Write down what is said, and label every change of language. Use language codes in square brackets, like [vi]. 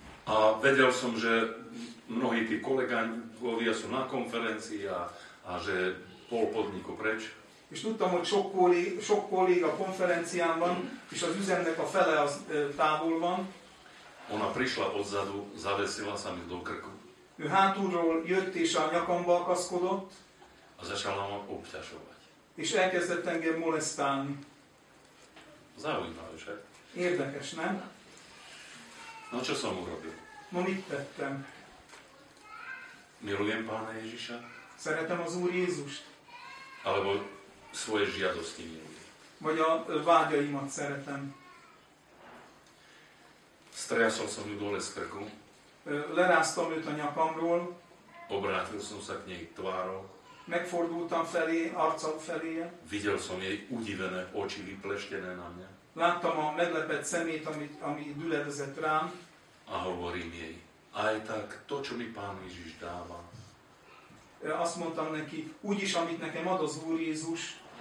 [sk] A vedel som, že mnohí tí kolegovia sú na konferencii a že pol podniku preč. [hu] És tudtam, hogy sok kolléga konferencián van, és az üzemnek a fele az távol van. [sk] Ona prišla odzadu, zavesila sa mi do krku. [hu] Ő hátulról jött és a nyakamba akaszkodott. [sk] A začala ma obťažovať. [hu] És elkezdett engem molesztálni. [sk] Zaujímavé, že? [hu] Érdekes, nem? [sk] No, čo som urobil? [hu] No, mit tettem? [sk] Milujem Pána Ježiša? [hu] Szeretem az Úr Jézust? [sk] Alebo svoje žiadosti miluje. [hu] Vagy a vágyaimat szeretem. [sk] Strejasol som ju dole z krku. [hu] Leráztam őt a nyakamról. [sk] Obrátil som sa k nej tvárou. [hu] Megfordultam felé, arcom felé. [sk] Videl som jej udivené oči vypleštené na mňa. [hu] Láttam a meglepett szemét, ami düledezett rám. [sk] A hovorím jej, aj tak to, čo mi Pán Ježiš dáva. [hu] Azt mondtam neki, úgyis, amit nekem ad az Úr Jézus,